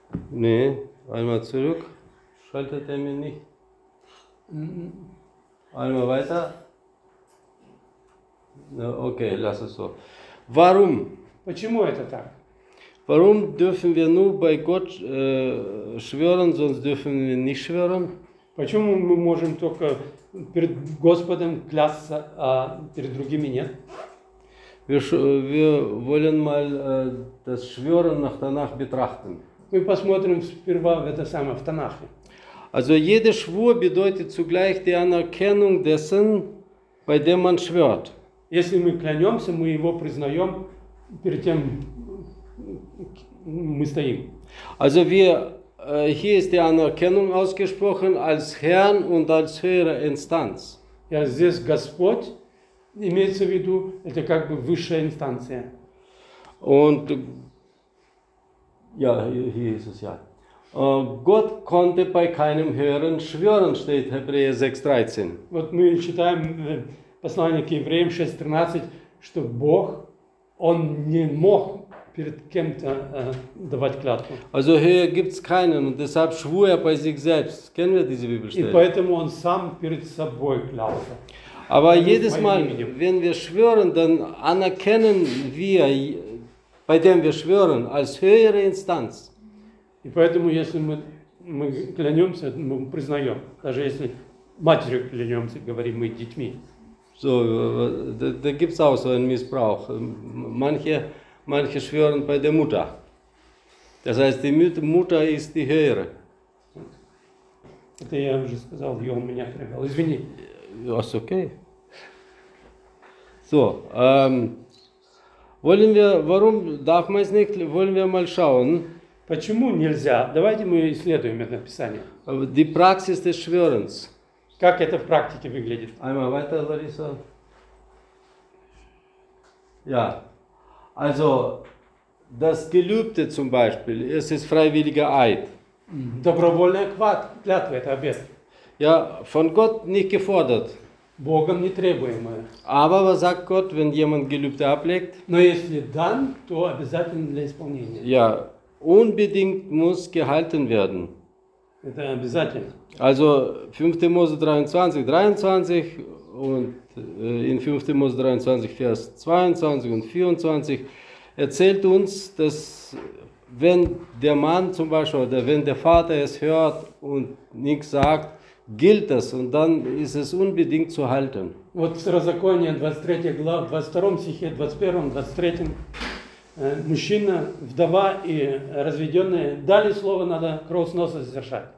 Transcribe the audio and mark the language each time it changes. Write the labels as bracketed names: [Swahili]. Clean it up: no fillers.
[German] Nee, einmal zurück. Schaltet er mir nicht. Einmal weiter. Okay, lass es so. Warum? [Russian] Почему это так? [German] Warum dürfen wir nur bei Gott schwören, sonst dürfen wir nicht schwören? [Russian] Почему мы можем только перед Господом клясться, а перед другими нет? [German] Wir wollen mal das Schwören nach Tanach betrachten. [Russian] Мы посмотрим сперва в это самое в Танахе. [German] Also jeder Schwur bedeutet zugleich die Anerkennung dessen, bei dem man schwört. [Russian] Если мы клянемся, мы его признаем, перед тем мы стоим. [German] Also hier ist die Anerkennung ausgesprochen als Herrn und als höhere Instanz. [Russian] Ja, здесь Господь имеется в виду, это как бы высшая инстанция. [German] Und ja, hier ist es ja. Gott konnte bei keinem höheren schwören, steht Hebräer 6,13. [Russian] Вот мы читаем послание к Евреям 6,13, что Бог, он не мог перед кем-то давать клятву. [German] Also höher gibt's keinen, und deshalb schwur er bei sich selbst. Kennen wir diese Bibelstelle? [Russian] И поэтому он сам перед собой клялся. [German] Aber jedes Mal, wenn wir schwören, dann anerkennen wir, bei dem wir schwören, als höhere Instanz. [Russian] И поэтому, если мы клянемся, мы признаем, даже если матерью клянемся, говорим мы детьми. [German] So, da gibt's auch so einen Missbrauch. Manche schwören bei der Mutter. Das heißt, die Mutter ist die höhere. [Russian] Это я уже сказал, я у меня привел. Извини. [English] That's okay. [German] So, wollen wir mal schauen. [Russian] Почему нельзя? Давайте мы исследуем это писание. [German] Die Praxis des Schwörens. [Russian] Как это в практике выглядит? [German] Einmal weiter, Larissa. Ja, also das Gelübde zum Beispiel, es ist freiwilliger Eid. [Russian] Добровольная клятва, это обет. [German] Ja, von Gott nicht gefordert. [Russian] Богом нетребуемое. [German] Aber was sagt Gott, wenn jemand Gelübde ablegt? [Russian] Но если [German] dann, [Russian] то обязательно для исполнения. [German] Ja, unbedingt muss gehalten werden. [Russian] Это обязательно. [German] Also 5. Mose 23 und in 5. Mose 23 Vers 22 und 24 erzählt uns, dass wenn der Mann zum Beispiel oder wenn der Vater es hört und nichts sagt, gilt das und dann ist es unbedingt zu halten. [Russian] Вот в Второзаконии 23 глав, 22 стихе, 21, 23 мужчина, вдова и разведенная дали слово, надо кровосноса совершать.